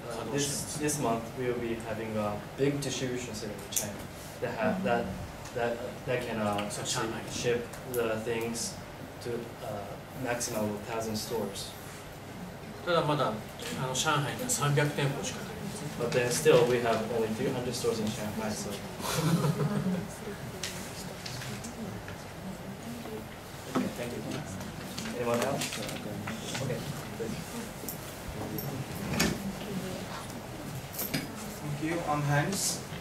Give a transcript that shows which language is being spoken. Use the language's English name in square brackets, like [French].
[English] This month we will be having a big distribution center in China that can ship the things to maximum 1,000 stores. [Japanese] ただまだ上海には300店舗しかない。 [English] But then still, we have only 300 stores in Shanghai, so... Okay, thank you. Anyone else? Okay, please. Thank you, I'm Hans.